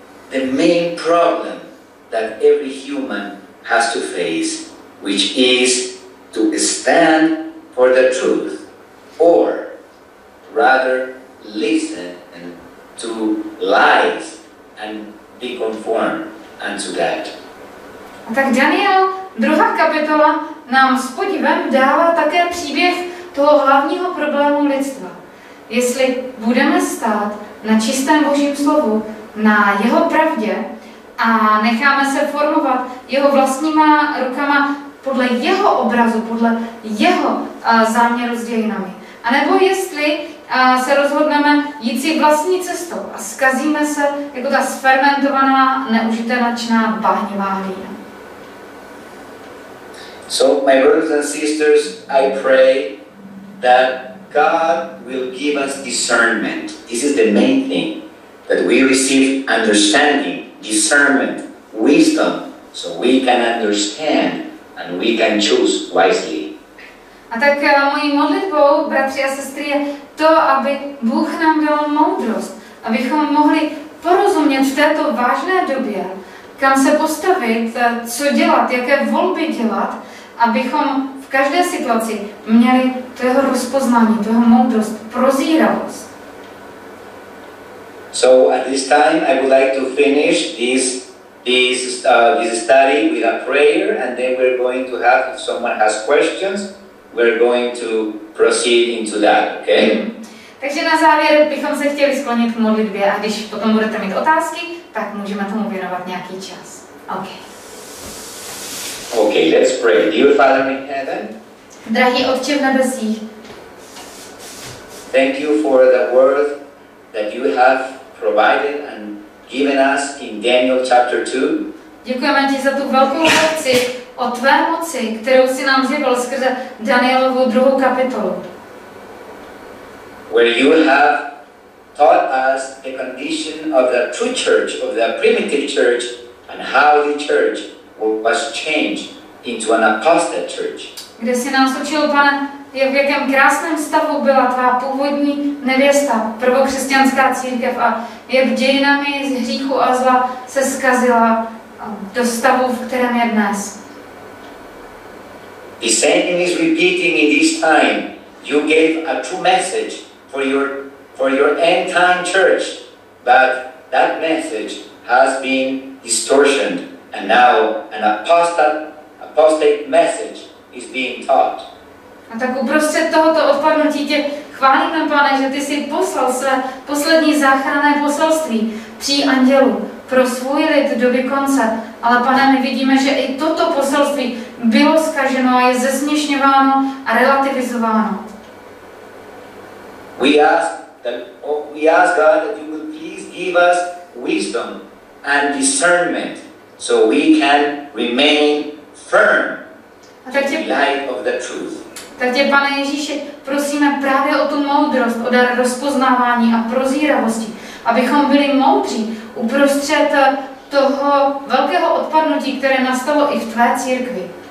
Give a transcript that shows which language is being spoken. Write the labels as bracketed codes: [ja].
[en] the main problem that every human has to face, which is to stand for the truth, or rather listen to lies and be conformed unto that. [cs] Tak Daniel, 2. kapitola, nám s podivem dává také příběh toho hlavního problému lidstva. Jestli budeme stát na čistém Božím slovu, na jeho pravdě a necháme se formovat jeho vlastníma rukama podle jeho obrazu, podle jeho záměru s dějinami. A nebo jestli se rozhodneme jít si vlastní cestou a zkazíme se jako ta sfermentovaná, neužitečná bahnivá hlína. [en] So, my brothers and sisters, I pray that God will give us discernment. This is the main thing, that we receive understanding, discernment, wisdom, so we can understand and we can choose wisely. [cs] A tak mojí modlitbou, bratři a sestry, je to, aby Bůh nám dal moudrost, abychom mohli porozumět v této vážné době, kam se postavit, co dělat, jaké volby dělat, abychom v každé situaci měli to jeho rozpoznání, to jeho moudrost, prozíravost. [en] So at this time I would like to finish this study with a prayer, and then we're going to have, if someone has questions, we're going to proceed into that, okay? [cs] Takže na závěr bychom se chtěli sklonit k modlitbě, a když potom budete mít otázky, tak můžeme tomu věnovat nějaký čas. [en] Okay. Okay, let's pray. Dear Father in heaven, [cs] drahý Otče v nebesích, [en] thank you for the word that you have provided and given us in Daniel chapter 2. [cs] Děkujeme ti za tu velkou lekci o tvé moci, kterou si nám zjevil skrze Danielovu 2. kapitolu. [en] Where you have taught us the condition of the true church, of the primitive church, and how the church was changed into an apostate church. [cs] Kde jsi nás učil, Pane, v jakém krásném stavu byla tvá původní nevěsta, prvokřesťanská církev, a jak dějinami z hříchu a zla se zkazila do stavu, v kterém je dnes. [en] The same thing is repeating in this time. You gave a true message for your end time church, but that message has been distortioned. And now an apostate message is being taught. [cs] A tak uprostřed tohoto odpadnutí těch chválíme, Pane, že ty jsi poslal své poslední záchranné poselství tří andělů pro svůj lid do konce. Ale Pane, my vidíme, že i toto poselství bylo zkaženo a je zesměšňováno a relativizováno. [en] We ask God that you would please give us wisdom and discernment so we can remain firm in the light of the truth. [cs] Tak tě, Pane Ježíši, prosíme právě o tu moudrost, o dar rozpoznávání a prozíravosti, abychom byli moudří uprostřed toho velkého odpadnutí, které nastalo i v tvé církvi.